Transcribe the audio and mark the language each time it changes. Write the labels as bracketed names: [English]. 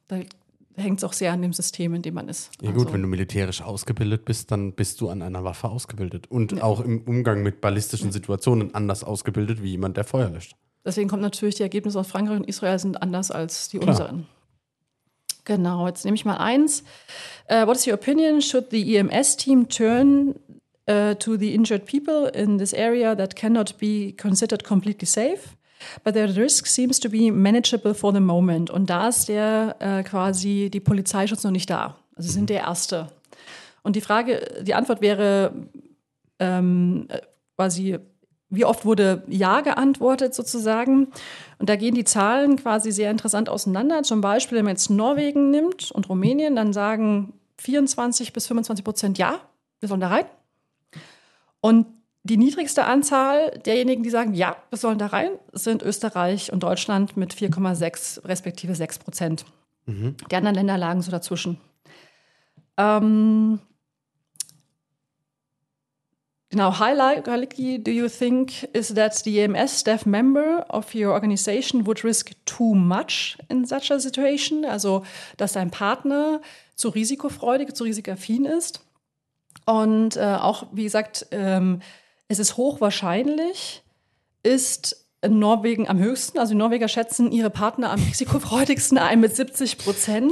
[German] Da hängt es auch sehr an dem System, in dem man ist. Ja gut, also, wenn du militärisch ausgebildet bist, dann bist du an einer Waffe ausgebildet und auch im Umgang mit ballistischen Situationen anders ausgebildet, wie jemand, der Feuer löscht. Deswegen kommen natürlich die Ergebnisse aus Frankreich und Israel sind anders als die unseren. Genau, jetzt nehme ich mal eins. [English] What is your opinion? Should the EMS team turn to the injured people in this area that cannot be considered completely safe? But the risk seems to be manageable for the moment. [German] Und da ist der quasi die Polizeischutz noch nicht da. Also sind der Erste. Und die Frage, die Antwort wäre quasi, wie oft wurde ja geantwortet sozusagen? Und da gehen die Zahlen quasi sehr interessant auseinander. Zum Beispiel, wenn man jetzt Norwegen nimmt und Rumänien, dann sagen 24-25% ja, wir sollen da rein. Und die niedrigste Anzahl derjenigen, die sagen, ja, wir sollen da rein, sind Österreich und Deutschland mit 4,6 respektive 6%. Mhm. Die anderen Länder lagen so dazwischen. Genau, [English] highly, do you think is that the EMS staff member of your organization would risk too much in such a situation? [German] Also, dass dein Partner zu risikofreudig, zu risikaffin ist. Und auch, wie gesagt, es ist hochwahrscheinlich, ist Norwegen am höchsten. Also die Norweger schätzen ihre Partner am risikofreudigsten ein mit 70%.